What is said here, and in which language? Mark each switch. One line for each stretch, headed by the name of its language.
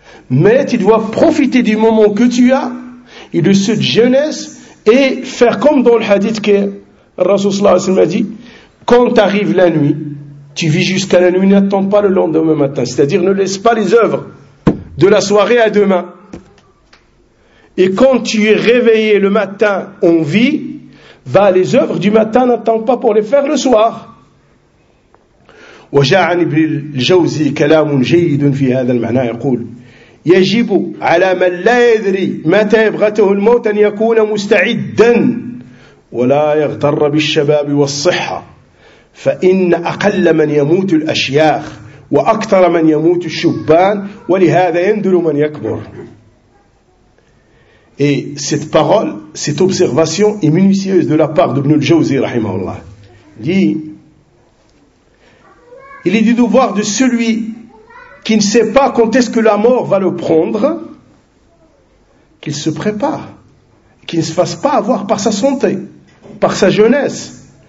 French: Mais tu dois profiter du moment que tu as, et de cette jeunesse, et faire comme dans le hadith que Rasulullah s'est dit, quand arrive la nuit, tu vis jusqu'à la nuit, n'attends pas le lendemain matin. C'est-à-dire, ne laisse pas les œuvres de la soirée à demain. Et quand tu es réveillé le matin, on vit, va à les œuvres du matin, n'attends pas pour les faire le soir.
Arabic: وجاء عن ابن الجوزي كلام جيد في هذا المعنى يقول يجب على من لا يدري متى يبغته الموت أن يكون مستعدا ولا يغتر بالشباب والصحة فإن أقل من يموت الأشياخ وأكثر من يموت الشبان ولهذا يندل من يكبر.
French: Et cette parole, cette observation est minutieuse de la part d'Ibn al-Jawzi rahimahullah. Dit, il est du devoir de celui qui ne sait pas quand est-ce que la mort va le prendre, qu'il se prépare, qu'il ne se fasse pas avoir par sa santé, par sa jeunesse.